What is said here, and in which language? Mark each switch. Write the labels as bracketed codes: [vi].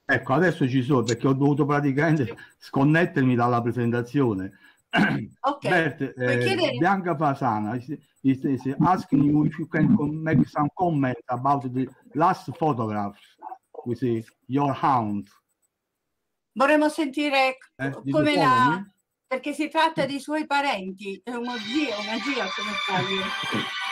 [it] Ecco, adesso ci sono perché ho dovuto praticamente sconnettermi dalla presentazione. Ok. [en] Bert, Bianca Fasana, he ask you if you can make some comment about the last photograph with your hound. [it] Vorremmo sentire come la... Perché si tratta di suoi parenti, è uno zio, una zia, come fai?